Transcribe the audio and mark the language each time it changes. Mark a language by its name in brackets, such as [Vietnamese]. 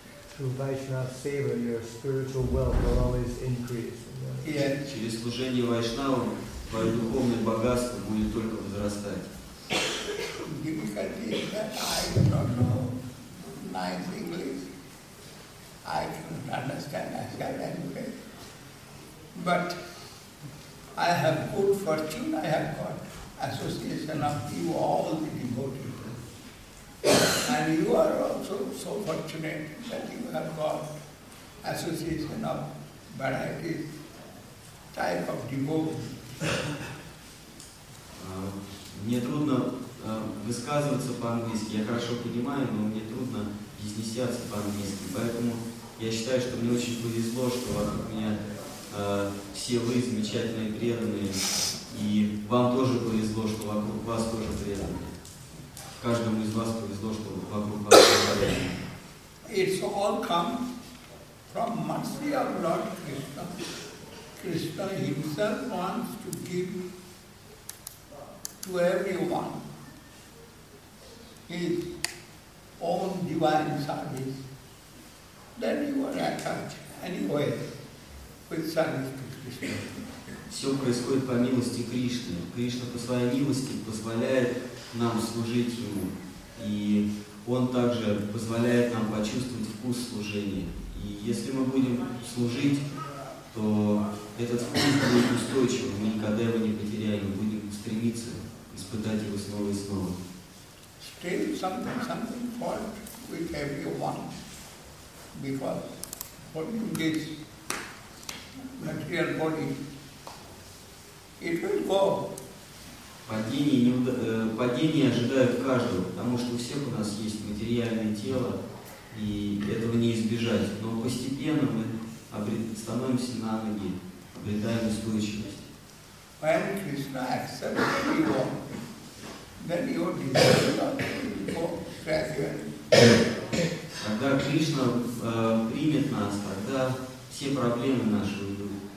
[English] through Vaishnav seva, your spiritual wealth will always increase. Yeah. [Russian] Через служение вайшнавам твое духовное богатство будет только возрастать. [English] Difficulty is that I do not know nice English. I do not understand Asian language. But I have good fortune. I have got association of you all the devotees. And you are also so fortunate that you have got association of varieties. Type of devotee. [Russian] Мне трудно высказываться по-английски. Я хорошо понимаю, но мне трудно изъясняться по-английски. Поэтому я считаю, что мне очень повезло, что вокруг меня все вы замечательные преданные, и вам тоже повезло, что вокруг вас тоже преданные. Каждому из вас повезло, что вокруг вас тоже преданные. [English] It's all come from mercy of Lord Krishna. Krishna himself wants to give to everyone his own divine service. Then you are attached anyway with service to Krishna. [Russian] Все происходит по милости Кришны. Кришна по своей милости позволяет нам служить Ему. И Он также позволяет нам почувствовать вкус служения. И если мы будем служить, то этот вкус будет устойчивым, мы никогда его не потеряем, мы будем стремиться испытать его снова и снова. [English] Still something, something fault with everyone, because holding this material body, it will go. [Russian] Падение ожидают каждого, потому что у всех у нас есть материальное тело, и этого не избежать, но постепенно мы становимся на ноги, обретаем устойчивость. [English] When Krishna accepts everyone, then your desire becomes gradual. [Russian] Когда Кришна примет нас, тогда все проблемы наши уйдут.